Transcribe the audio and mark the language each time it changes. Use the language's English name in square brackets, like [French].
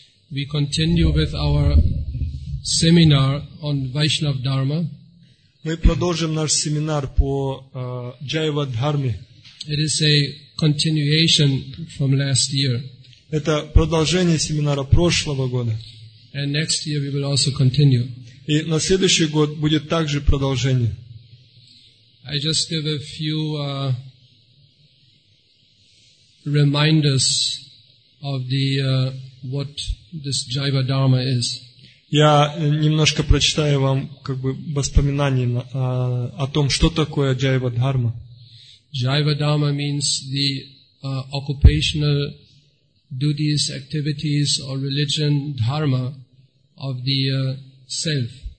[English] We continue with our seminar on Vaishnav Dharma. [Russian] Мы продолжим наш семинар по Джайва Дхарме. [English] It is a continuation from last year. [Russian] Это продолжение семинара прошлого года. [English] And next year we will also continue. [Russian] И на следующий год будет также продолжение. [English] I just give a few reminders of the what this Jiva Dharma is. [Russian] Я немножко прочитаю вам как бы воспоминания о том, что такое Jiva Dharma. [English] Jiva Dharma means the occupational duties, activities or religion dharma of the self.